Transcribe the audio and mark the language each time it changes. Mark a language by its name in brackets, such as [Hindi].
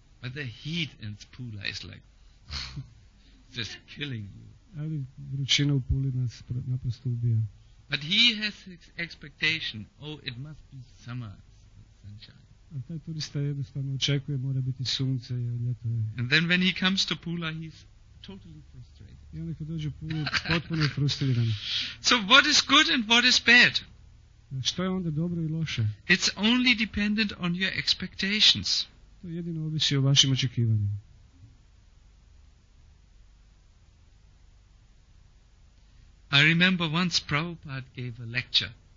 [English] But the heat in Pula is like just killing you. [Croatian] Ali vrućina u Puli nas naprosto ubija. [English] But he has expectation, oh, it must be summer sunshine. [Croatian] A taj turista jednostavno očekuje, mora biti sunce i ljeto. [English] And then when he comes to Pula, he's totally frustrated. [Croatian] I onda kad dođe Pulu, potpuno je frustriran. [English] So what is good and what is bad? [Croatian] Što je onda dobro i loše? [English] It's only dependent on your expectations. [Croatian] To jedino ovisi o vašim očekivanjima. [English] I remember once Prabhupada gave a lecture.